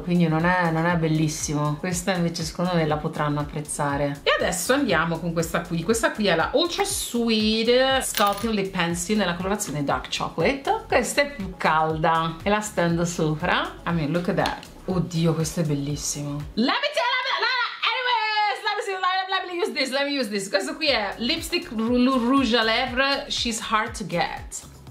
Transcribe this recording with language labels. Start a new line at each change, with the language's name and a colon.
Italian: Quindi non è bellissimo. Questa invece secondo me la potranno apprezzare. E adesso andiamo con questa qui. Questa qui è la Ultra Sweet Sculpting Lip Pencil nella colorazione Dark Chocolate. Questa è più calda e la stendo sopra.
English: I mean, look at that.
Italian: Oddio, questo è bellissimo.
English: Let me tell you, let me use this.
Italian: Questo qui è Lipstick Rouge à Lèvres, She's Hard to Get.